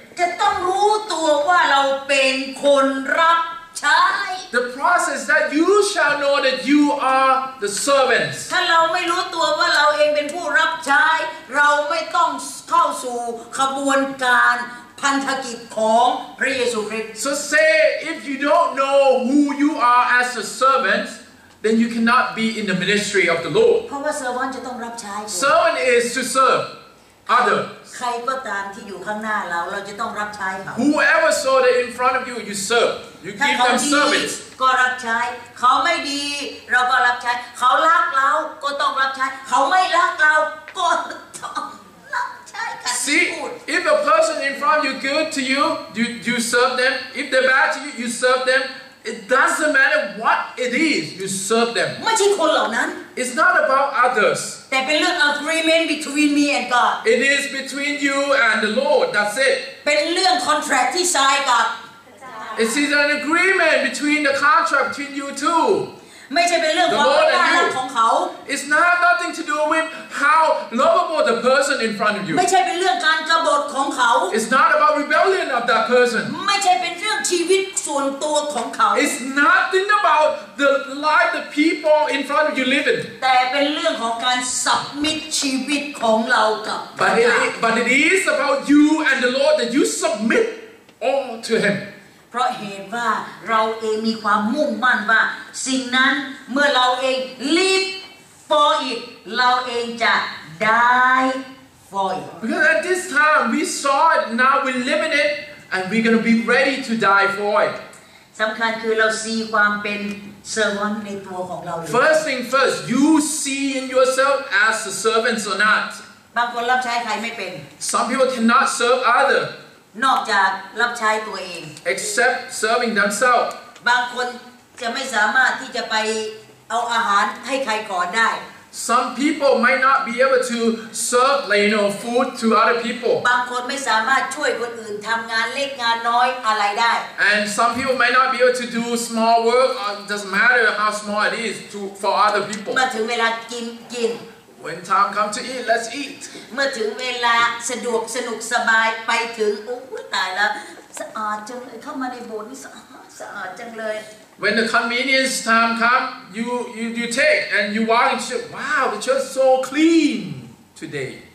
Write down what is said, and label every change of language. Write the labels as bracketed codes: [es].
[th] จะต้องรู้ตัวว่าเราเป็นคนรับใช้ [en] The process that you shall know that you are the servants. [th] ถ้าเราไม่รู้ตัวว่าเราเองเป็นผู้รับใช้เราไม่ต้องเข้าสู่ขบวนการพันธกิจของพระเยซูคริสต์ [en] So say if you don't know who you are as a servant,Then you cannot be in the ministry of the Lord. [th] เพราะว่า servant จะต้องรับใช้ [en] Servant is to serve other. ใครก็ตามที่อยู่ข้างหน้าเราเราจะต้องรับใช้เขา Whoever saw that in front of you, you serve. You give them service. [th] ถ้าเขาดีก็รับใช้เขาไม่ดีเราก็รับใช้เขารักเราก็ต้องรับใช้เขาไม่รักเราก็ต้องรับใช้ [en] See, if a person in front of you good to you, you serve them. If they're bad to you, you serve them. It doesn't matter what it is, you serve them. [th] ไม่ใช่คนเหล่านั้น [en] It's not about others. [th] แต่เป็นเรื่อง [en] agreement between me and God. It is between you and the Lord, that's it. [th] เป็นเรื่อง contract ที่ sign กับ [en] It is an agreement between the contract between you two. [th] ไม่ใช่เป็นเรื่องความน่ารักของเขา [en] It's nothing to do with how lovable the person in front of you. [th] ไม่ใช่เป็นเรื่องการกบฏของเขา [en] It's not about rebellion of that person. [th] ไม่ใช่เป็นเรื่องชีวิตส่วนตัวของเขา [en] It's nothing about the life the people in front of you live in [th] แต่เป็นเรื่องของการสับมิดชีวิตของเรากับ [en] But it is about you and the Lord that you submit all to him [th] เพราะเห็นว่าเราเองมีความมุ่งมั่นว่าสิ่งนั้นเมื่อเราเอง [en] live for it [th] เราเองจะ [en] die for it Because at this time we saw it now we live in itAnd we're going to be ready to die for it. [th] สำคัญคือเราซีความเป็น servant ในตัวของเราเลย [en] First thing first, you see in yourself as a servant or not. [th] บางคนรับใช้ใครไม่เป็น [en] Some people cannot serve other. [th] นอกจากรับใช้ตัวเอง [en] Except serving themselves. [th] บางคนจะไม่สามารถที่จะไปเอาอาหารให้ใครก่อนได้ [en] Some people might not be able to serve, you know, food to other people. [th] บางคนไม่สามารถช่วยคนอื่นทำงานเล็กงานน้อยอะไรได้ [en] And some people might not be able to do small work. Doesn't matter how small it is to for other people. [th] เมื่อถึงเวลากินกิน [en] When time comes to eat, let's eat. [th] เมื่อถึงเวลาสะดวกสนุกสบายไปถึงโอ้ตายแล้วสะอาดจังเลยเข้ามาในโบสถ์นี่สะอาดจังเลย [en] When the convenience time come, you take and you walk and say, "Wow, the church is so clean today."